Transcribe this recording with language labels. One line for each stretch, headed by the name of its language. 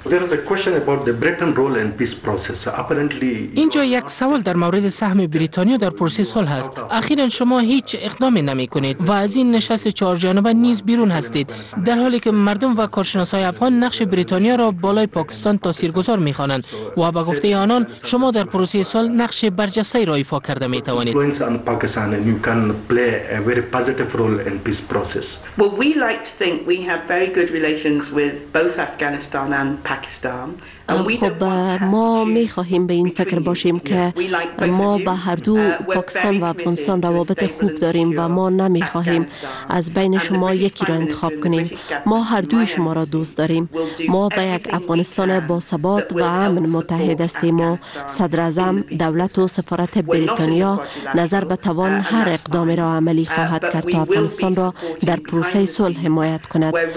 English: There is a question about the Britain role in peace process. Apparently,
Persian: اینجا یک سوال در مورد سهم بریتانیا در پروسه صلح است. اخیرا شما هیچ اقدامی نمی کنید و از این نشست چهار جانبه نیز بیرون هستید، در حالی که مردم و کارشناسای افغان نقش بریتانیا را بالای پاکستان تاثیرگذار می خوانند و به گفته آنان شما در پروسه صلح نقش برجسته را ایفا کرده می توانید.
English: You can play a very positive role in peace process. Well, we like to think we have very good relations with both Afghanistan and Pakistan.
Persian: خب ما می خواهیم به این فکر باشیم که ما به هر دو پاکستان و افغانستان روابط خوب داریم و ما نمی خواهیم از بین شما یکی را انتخاب کنیم. ما هر دوی شما را دوست داریم. ما به یک افغانستان با ثبات و امن متحد هستیم و صدر اعظم، دولت و سفارت بریتانیا نظر به توان هر اقدامی را عملی خواهد کرد تا افغانستان را در پروسه صلح حمایت کند.